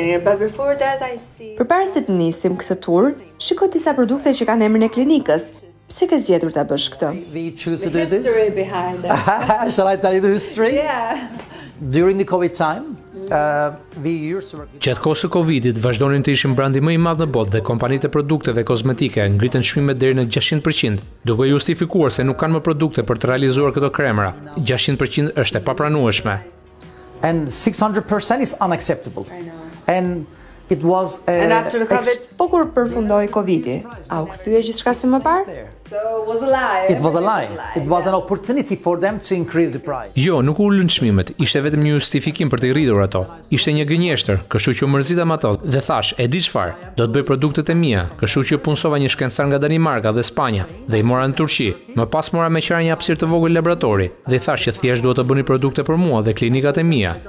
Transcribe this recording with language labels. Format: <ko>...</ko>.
<en>So we are starting a tour on the clinic, but before that, I see.</en> <sq>Shiko disa produkte që kanë emrin e klinikës. Pse ke zgjedhur ta bësh këtë?</sq> <en>We choose to do this. History behind it. Shall I tell you the history? Yeah. During the COVID time, we used to work.</en> <sq>Gjatë kohës së Covidit, vazhdonin të ishin brandi më i madh në botë dhe kompanitë produkteve kozmetike ngritën shmimet deri në 600%, duke justifikuar se nuk kanë më produkte për të realizuar këto kremra. 600% është e papranueshme.</sq> <en>And 600% is unacceptable. I know. And it was and after the COVID,</en> <sq>po kur përfundoi Covidi, a u kthye gjithçka si më parë?</sq> <en>So was a lie. It was a lie. It was an opportunity for them to increase the price.</en> <sq>Jo, nuk u ulën çmimet, ishte vetëm një justifikim për të rritur ato. Ishte një gënjeshtër, kështu që mërzitam ato dhe thash, e di çfarë, do të bëj produktet e mia, kështu që punsova një shkencëtar nga Danimarka dhe Spanja dhe i mora në Turqi. Më pas mora me qira një hapësirë të vogël laboratori dhe i thash që thjesht duhet të bëni produkte për mua dhe klinikat e mia.</sq>